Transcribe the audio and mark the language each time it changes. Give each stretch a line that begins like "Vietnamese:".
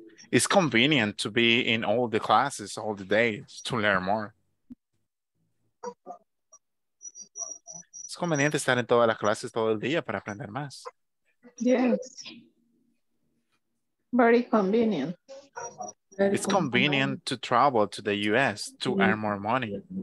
English: It's convenient to be in all the classes all the day to learn more.
Spanish: Es conveniente estar en todas las clases todo el día para aprender más.
English: Yes. Very convenient. It's convenient to travel to the US to earn more money.